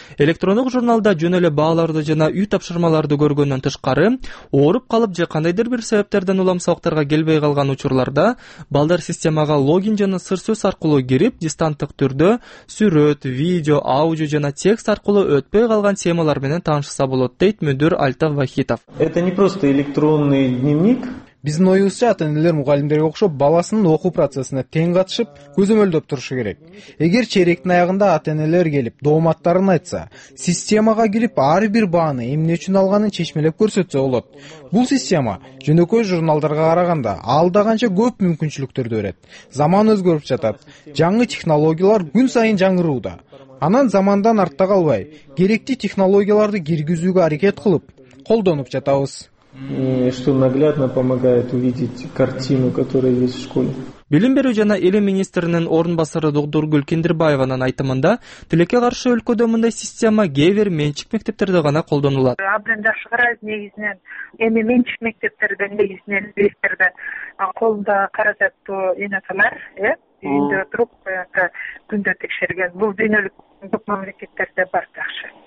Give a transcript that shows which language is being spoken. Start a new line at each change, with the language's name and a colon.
Kyrgyz: Электрондук журналда жөн эле бааларды жана үй тапшырмаларды көргөндөн тышкары, ооруп калып же кандайдыр бир себептерден улам сабактарга келбей калган учурларда балдар системага логин жана сыр сөз аркылуу кирип, дистанттык түрдө сүрөт, видео, аудио жана текст аркылуу өтпөй калган темалар менен таанышса болот, дейт мүдүр Альтав Вахитов.
Russian: Это не просто электронный дневник.
Kyrgyz: Биздин оюбузча ата-энелер мугалимдерге окшоп баласынын окуу процессине тең катышып, көзөмөлдөп турушу керек. Эгер черектин аягында ата-энелер келип, дооматтарын айтса, системага кирип, ар бир бааны эмне үчүн алганын чечмелеп көрсөтсө болот. Бул система жөнөкөй журналдарга караганда алда канча көп мүмкүнчүлүктөрдү берет. Заман өзгөрүп жатат. Жаңы технологиялар күн сайын жаңырууда. Анан замандан артта калбай, керектүү технологияларды киргизүүгө аракет кылып, колдонуп жатабыз.
Russian: Что наглядно помогает увидеть картину, которая есть в школе.
Kyrgyz: Билим берүү жана илим министринин орун басары Дугдургүл Киндирбаеванын айтымында тилекке каршы өлкөдө мындай система кээ бир менчик мектептерде гана колдонулат. Абдан жакшы карайбыз негизинен. Эми менчик мектептерде негизинен директорда колунда каражаттуу инаталар үйүндө туруп күндө текшерген. Бул дүйнөлүк мамлекеттерде бар жакшы.